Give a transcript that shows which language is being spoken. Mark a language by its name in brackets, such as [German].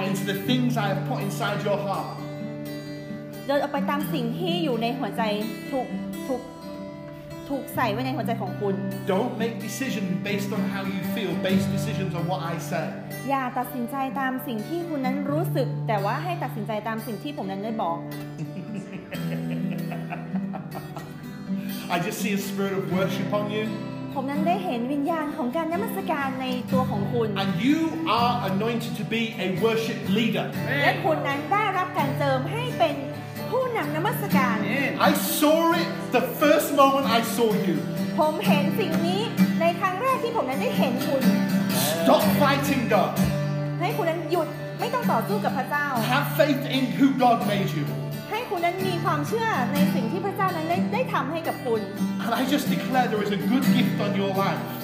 [English] Into the things I have put inside your heart. [Thai] เดินออกไปตามสิ่งที่อยู่ในหัวใจถูกใส่ไว้ในหัวใจของคุณ [English] Don't make decisions based on how you feel base decisions on what I say [Thai] อย่าตัดสินใจตามสิ่งที่คุณนั้นรู้สึกแต่ว่าให้ตัดสินใจตามสิ่งที่ผมนั้นได้บอก [English] I just see a spirit of worship on you [Thai] ผมนั้นได้เห็นวิญญาณของการนมัสการในตัวของคุณ [English] And you are anointed to be a worship leader [Thai] และคุณนั้นได้รับการเจิมให้เป็นผู้นำนมัสการ [English] I saw it the first moment I saw you [Thai] ผมเห็นสิ่งนี้ในครั้งแรกที่ผมนั้นได้เห็นคุณ [English] Stop fighting God [Thai] ให้คุณนั้นหยุดไม่ต้องต่อสู้กับพระเจ้า [English] Have faith in who God made you [Thai] ให้คุณนั้นมีความเชื่อในสิ่งที่พระเจ้านั้นได้ทำให้กับคุณ [English] And I just declare there is a good gift on your life